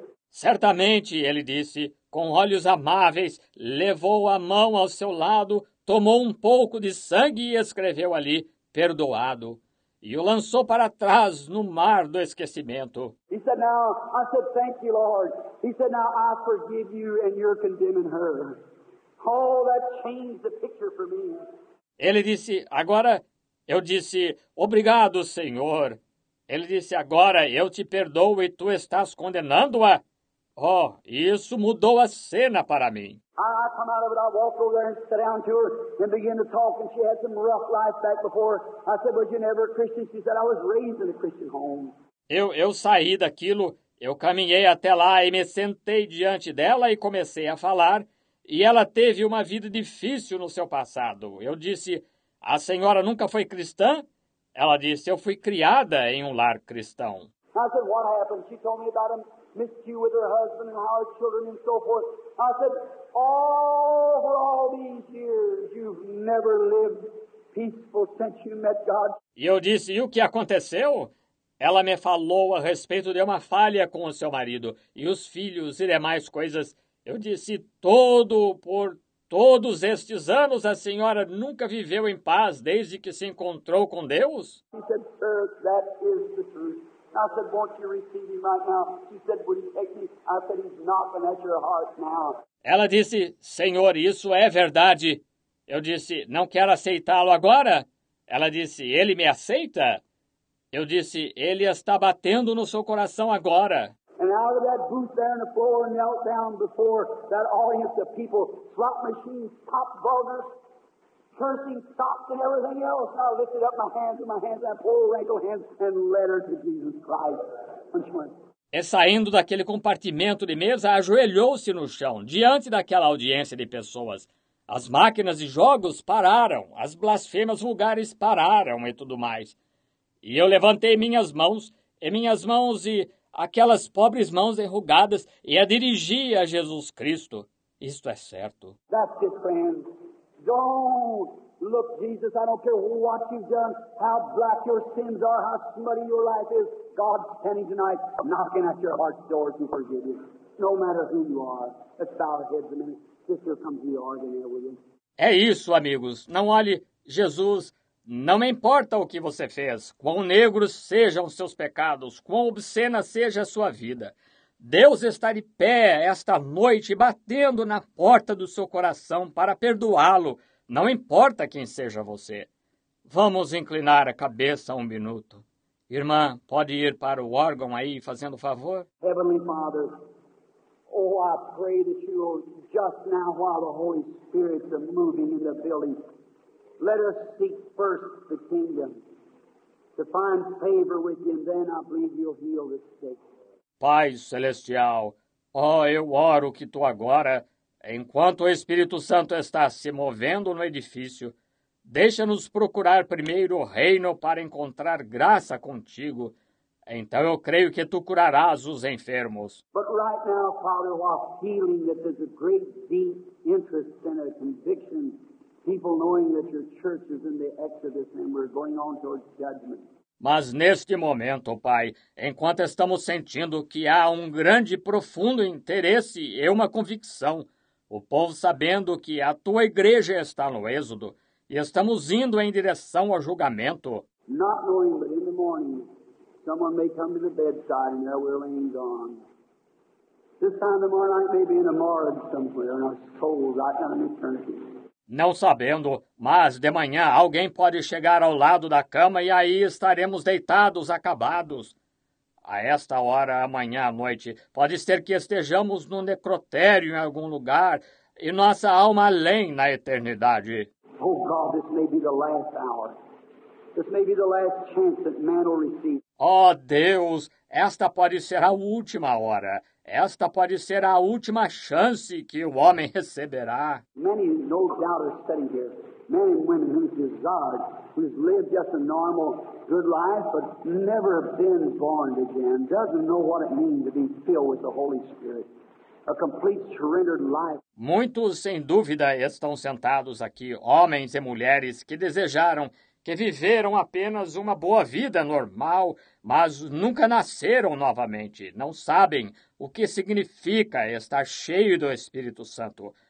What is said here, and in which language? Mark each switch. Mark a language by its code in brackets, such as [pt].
[pt] Certamente, ele disse, com olhos amáveis, levou a mão ao seu lado, tomou um pouco de sangue e escreveu ali, perdoado. E o lançou para trás no mar do esquecimento. [en] He said, now, I said, thank you, Lord. He said, now, I forgive you and you're condemning her. Oh, that changed the picture for me. [pt] Ele disse, agora, eu disse, obrigado, Senhor. Ele disse, agora, eu te perdoo e tu estás condenando-a. Oh, isso mudou a cena para mim. [en] I come out of it, I walk over there and sit down to her and begin to talk, and she had some rough life back before. I said, was you never a Christian? She said, I was raised in a Christian home. [pt] Eu saí daquilo, eu caminhei até lá e me sentei diante dela e comecei a falar, e ela teve uma vida difícil no seu passado. Eu disse, a senhora nunca foi cristã? Ela disse, eu fui criada em um lar cristão. [en] I said, what happened? She told me about him. Missed you with her husband and our children and so forth. I said, over all these years, you've never lived peaceful since you met God. [pt] E eu disse, e o que aconteceu? Ela me falou a respeito de uma falha com o seu marido e os filhos e demais coisas. Eu disse, por todos estes anos, a senhora nunca viveu em paz desde que se encontrou com Deus? [en] He said, sir, that is the truth. I said, won't you receive him right now? She said, would he take me? I said, he's knocking at your heart now. [pt] Ela disse, Senhor, isso é verdade. Eu disse, não quero aceitá-lo agora. Ela disse, ele me aceita? Eu disse, ele está batendo no seu coração agora. [en] And out of that booth there on the floor, knelt down before that audience of people, slot machines, pop vulgars, cursing, stops, and everything else. I lifted up my hands, that poor wrinkled hands, and led her to Jesus Christ. [pt] E saindo daquele compartimento de mesa, ajoelhou-se no chão, diante daquela audiência de pessoas. As máquinas de jogos pararam, as blasfêmias vulgares pararam e tudo mais. E eu levantei minhas mãos e aquelas pobres mãos enrugadas, e a dirigi a Jesus Cristo. Isto é certo. [en] That's it, friend. Don't look, Jesus, I don't care what you've done, how black your sins are, how smutty your life is. God's standing tonight, knocking at your heart's door to forgive you. No matter who you are, let's bow our heads a minute. Sister, come to the organ here with you. [pt] É isso, amigos. Não olhe, Jesus, Não importa o que você fez, quão negros sejam seus pecados, quão obscena seja a sua vida, Deus está de pé esta noite batendo na porta do seu coração para perdoá-lo, não importa quem seja você. Vamos inclinar a cabeça um minuto. Irmã, pode ir para o órgão aí, fazendo favor? [en] Heavenly Father, oh, I pray that you will just now, while the Holy Spirit is moving in the building, let us seek first the kingdom to find favor with him, then I believe you'll heal the sick. [pt] Pai Celestial, eu oro que tu agora, enquanto o Espírito Santo está se movendo no edifício, deixa-nos procurar primeiro o reino para encontrar graça contigo. Então eu creio que tu curarás os enfermos. [en] But right now, Father, while feeling that there's a great deep interest and a conviction, people knowing that your church is in the Exodus and we're going on towards judgment. [pt] Mas neste momento, Pai, enquanto estamos sentindo que há um grande e profundo interesse e uma convicção, o povo sabendo que a tua igreja está no êxodo e estamos indo em direção ao julgamento. [en] Not knowing, but in the morning, someone may come to the bedside and there we're laying gone. This time tomorrow night may be in a morgue somewhere and our soul right down in eternity. [pt] Não sabendo, mas de manhã alguém pode chegar ao lado da cama e aí estaremos deitados, acabados. A esta hora, amanhã à noite, pode ser que estejamos no necrotério em algum lugar e nossa alma além na eternidade. [en] Oh, God, this may be the last hour. This may be the last chance that man will receive. [pt] Oh, Deus, esta pode ser a última hora. Esta pode ser a última chance que o homem receberá. [en] Many, no doubt, are sitting here. Men and women whose desires, who've lived just a normal, good life, but never been born again, doesn't know what it means to be filled with the Holy Spirit. A complete surrendered life. [pt] Muitos, sem dúvida, estão sentados aqui, homens e mulheres que desejaram, que viveram apenas uma boa vida normal, mas nunca nasceram novamente. Não sabem o que significa estar cheio do Espírito Santo.